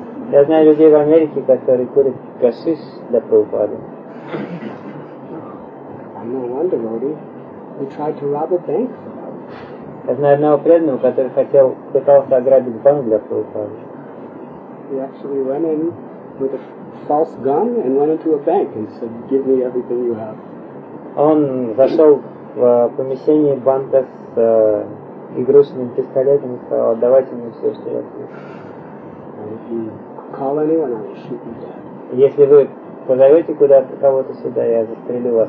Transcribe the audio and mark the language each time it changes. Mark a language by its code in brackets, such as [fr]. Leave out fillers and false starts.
[ru] Я знаю людей в Америке, которые курят гашиш для Прабхупады. [en] No wonder, Modi. He tried to rob a bank. [ru] Я знаю одного преданного, который пытался ограбить банк для Прабхупады. [en] He actually went in with a false gun and went into a bank and said, "Give me everything you have." [ru] Он зашел в помещение банка с игрушечным пистолетом и сказал: «Отдавайте мне все, что я хочу». Если вы позовете куда-то кого-то сюда, я застрелю вас